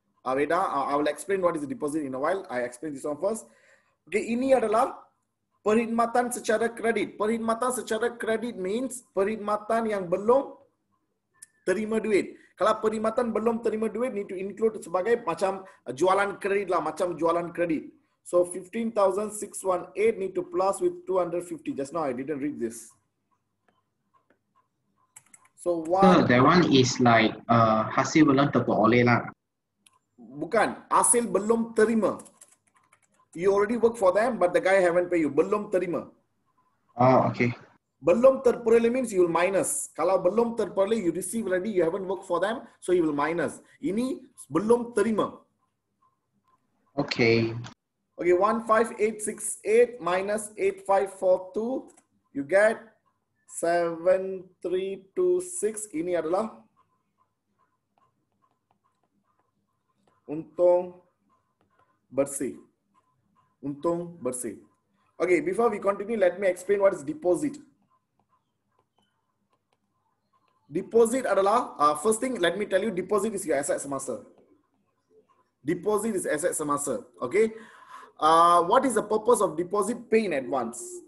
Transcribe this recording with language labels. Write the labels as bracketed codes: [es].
[en] Aweda, I will explain what is the deposit in a while. I explain this one first. Okay, ini adalah perkhidmatan secara kredit. [ms] Perkhidmatan secara kredit means perkhidmatan yang belum terima duit. Kalau perkhidmatan belum terima duit, need to include sebagai macam jualan kredit lah, macam jualan kredit. [en] So 15,618 need to plus with 250. Just now I didn't read this. So one. So that one is like hasil belum terperoleh lah. [ms] Bukan, hasil belum terima. [en] You already work for them, but the guy haven't pay you. [ms] Belum terima. [en] Oh, okay. Belum terperoleh means you will minus. Kalau belum terperoleh, you receive already, you haven't worked for them, so you will minus. [ms] Ini belum terima. [en] Okay. Okay, 15868 minus 8542, you get 7326. [ms] Ini adalah untung bersih. Untung bersih. [en] Okay, before we continue, let me explain what is deposit. Deposit adalah, first thing, let me tell you, deposit is your asset semasa. Deposit is asset semasa. Okay. What is the purpose of deposit? Pay in advance.